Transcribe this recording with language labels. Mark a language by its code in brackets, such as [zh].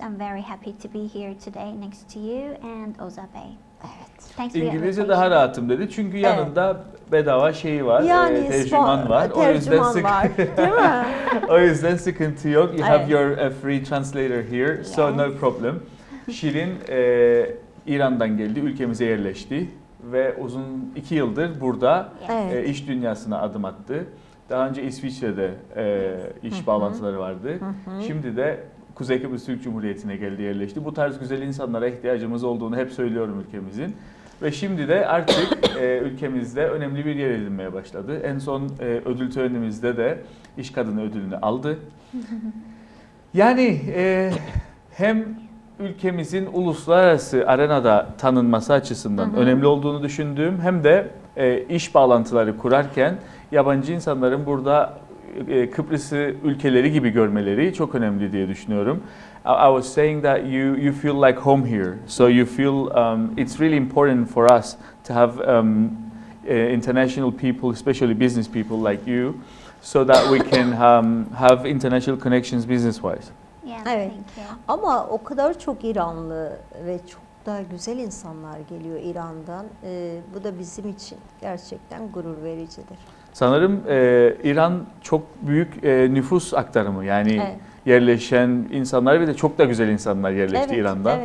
[en] I'm very happy to be here today next to you and Oza Bey. [tr] Evet. Thanks İngilizce daha rahatım dedi. Çünkü yanında bedava şeyi var, yani tercüman var. Tercüman o yüzden var, değil mi? O yüzden sıkıntı yok. [en] You have your free translator here, so no problem. [tr] Şirin İran'dan geldi, ülkemize yerleşti ve uzun 2 yıldır burada iş dünyasına adım attı. Daha önce İsviçre'de iş bağlantıları vardı. Şimdi de Kuzey Kıbrıs Türk Cumhuriyeti'ne geldi, yerleşti. Bu tarz güzel insanlara ihtiyacımız olduğunu hep söylüyorum ülkemizin. Ve şimdi de artık ülkemizde önemli bir yer edinmeye başladı. En son ödül törenimizde de iş kadını ödülünü aldı. Yani hem ülkemizin uluslararası arenada tanınması açısından önemli olduğunu düşündüğüm, hem de iş bağlantıları kurarken yabancı insanların burada Kıbrıs'ı ülkeleri gibi görmeleri çok önemli diye düşünüyorum. [en] I was saying that you feel like home here, so you feel it's really important for us to have international people, especially business people like you, so that we can have international connections business wise. Yeah, evet. Thank you. [tr] Ama o kadar çok İranlı ve çok da güzel insanlar geliyor İran'dan. Bu da bizim için gerçekten gurur vericidir. Sanırım İran çok büyük nüfus aktarımı, yani yerleşen insanlar ve de çok da güzel insanlar yerleşti İran'dan.